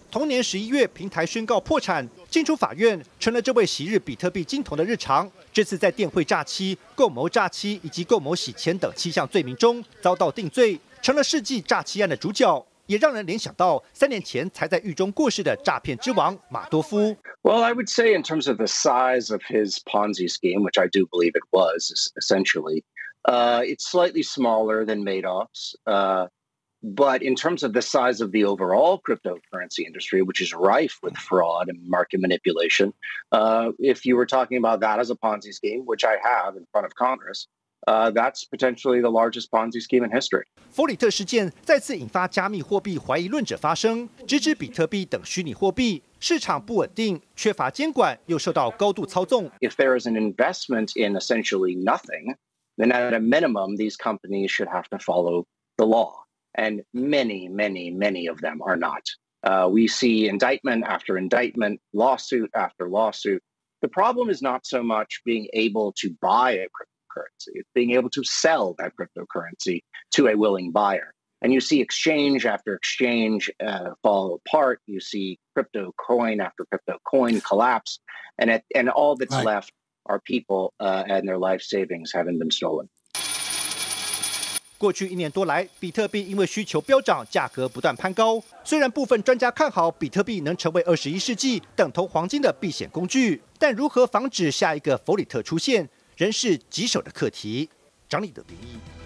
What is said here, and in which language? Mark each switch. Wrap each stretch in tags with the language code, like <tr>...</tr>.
<zh>同年11月，平台宣告破产，进出法院成了这位昔日比特币金童的日常。这次在电汇诈欺、共谋诈欺以及共谋洗钱等7项罪名中遭到定罪，成了世纪诈欺案的主角。也让人联想到3年前才在狱中过世的诈骗之王马多夫。</zh> <en>Well, I would say in terms of the size of his Ponzi scheme, which I do believe it was essentially, it's slightly smaller than Madoff's. But in terms of the size of the overall cryptocurrency industry, which is rife with fraud and market manipulation, if you were talking about that as a Ponzi scheme, which I have in front of Congress. That's potentially the largest Ponzi scheme in history.</en> <zh>弗里特事件再次引发加密货币怀疑论者发声，直指比特币等虚拟货币市场不稳定、缺乏监管，又受到高度操纵。</zh> <en>If there is an investment in essentially nothing, then at a minimum, these companies should have to follow the law. And many, many, many of them are not. We see indictment after indictment, lawsuit after lawsuit. The problem is not so much being able to buy a cryptocurrency. It's being able to sell that cryptocurrency to a willing buyer. And you see exchange after exchange fall apart. You see crypto coin after crypto coin collapse. And all that's right. left are people and their life savings having been stolen.</en> <zh>过去一年多来，比特币因为需求飙涨，价格不断攀高。虽然部分专家看好比特币能成为21世纪等同黄金的避险工具，但如何防止下一个弗里特出现？仍是棘手的课题。张立德评议。</zh>